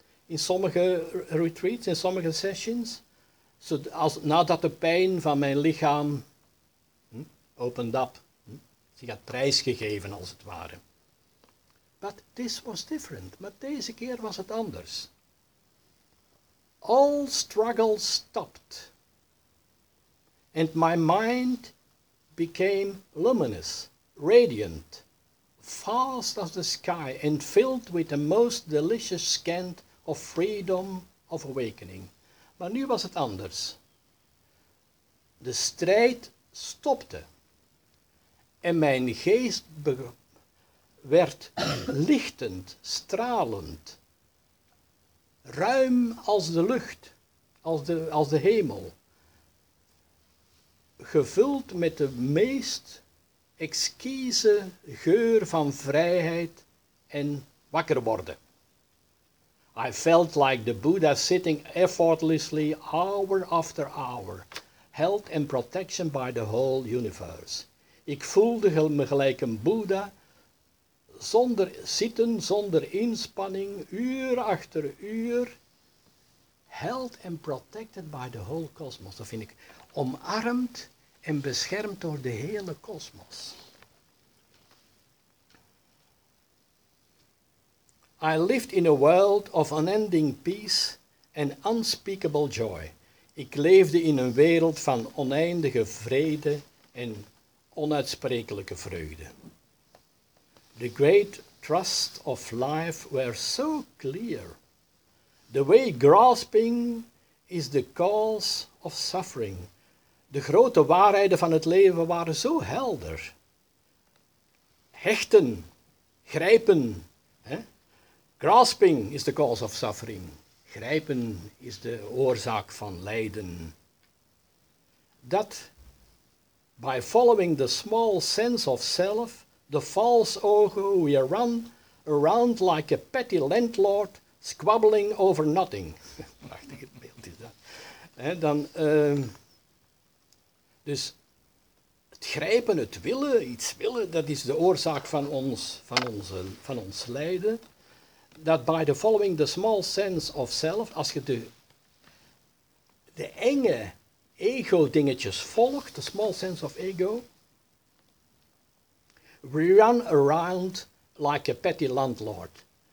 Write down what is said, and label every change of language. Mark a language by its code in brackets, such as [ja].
[nl] In sommige retreats, in sommige sessions. Nadat de pijn van mijn lichaam [en] opened up. [nl] Zich had prijsgegeven, als het ware. [en] But this was different. [nl] Maar deze keer was het anders. [en] All struggle stopped, and my mind became luminous, radiant, vast as the sky, and filled with the most delicious scent of freedom of awakening. [nl] Maar nu was het anders. De strijd stopte, en mijn geest werd lichtend, stralend, ruim als de lucht, als de hemel. Gevuld met de meest exquise geur van vrijheid en wakker worden. [en] I felt like the Buddha sitting effortlessly hour after hour, held and protected by the whole universe. [nl] Ik voelde me gelijk een Buddha, zonder zitten, zonder inspanning, uur achter uur, [en] held and protected by the whole cosmos. [nl] Dat vind ik omarmd en beschermd door de hele kosmos. [en] I lived in a world of unending peace and unspeakable joy. [nl] Ik leefde in een wereld van oneindige vrede en onuitsprekelijke vreugde. [en] The great trusts of life were so clear The way grasping is the cause of suffering. [nl] De grote waarheden van het leven waren zo helder. Hechten, grijpen. Hè? [en] Grasping is the cause of suffering. [nl] Grijpen is de oorzaak van lijden. [en] That by following the small sense of self, the false ego, we run around like a petty landlord squabbling over nothing. [nl] Prachtig beeld is dat. En dan, dus het grijpen, het willen, iets willen, dat is de oorzaak van ons, van ons lijden. [en] That by the following the small sense of self, [nl] als je de enge ego-dingetjes volgt, [en] the small sense of ego, we run around like a petty landlord.